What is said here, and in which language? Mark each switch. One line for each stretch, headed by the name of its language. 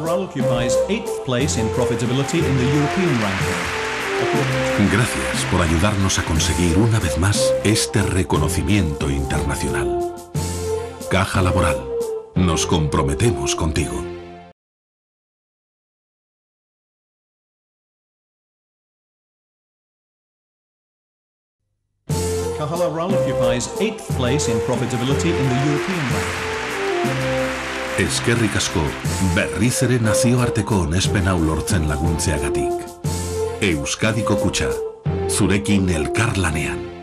English: Occupies 8th place in profitability in the European ranking.
Spanish: Gracias por ayudarnos a conseguir una vez más este reconocimiento internacional. Caja Laboral, nos comprometemos contigo.
English: Caja Laboral occupies 8th place in profitability in the European ranking.
Basque: Eskerrik asko, berriz ere nazioarteko onespen hau lortzen laguntzeagatik. Euskadiko Kutxa, zurekin elkarlanean.